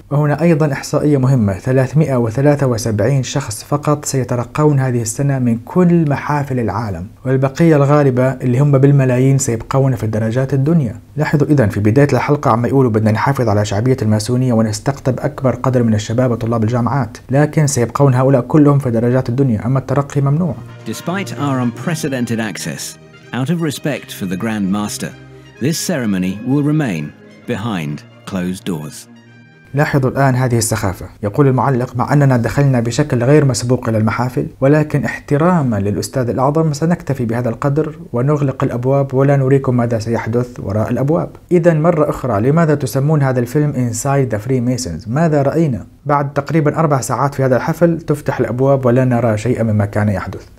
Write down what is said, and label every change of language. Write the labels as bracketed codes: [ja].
[ar] وهنا أيضا إحصائية مهمة، 373 شخص فقط سيترقون هذه السنة من كل محافل العالم، والبقية الغالبة اللي هم بالملايين سيبقون في الدرجات الدنيا. لاحظوا إذن في بداية الحلقة عم يقولوا بدنا نحافظ على شعبية الماسونية ونستقطب أكبر قدر من الشباب وطلاب الجامعات، لكن سيبقون هؤلاء كلهم في درجات الدنيا، أما الترقي ممنوع. [en] Despite our unprecedented access, out of respect for the Grand Master, this ceremony will remain behind closed doors. [ar] لاحظوا الآن هذه السخافة. يقول المعلق مع أننا دخلنا بشكل غير مسبوق إلى المحافل، ولكن احتراما للأستاذ الأعظم سنكتفي بهذا القدر ونغلق الأبواب ولا نريكم ماذا سيحدث وراء الأبواب. إذن مرة أخرى، لماذا تسمون هذا الفيلم Inside the Freemasons؟ ماذا رأينا؟ بعد تقريبا 4 ساعات في هذا الحفل تفتح الأبواب ولا نرى شيئا مما كان يحدث.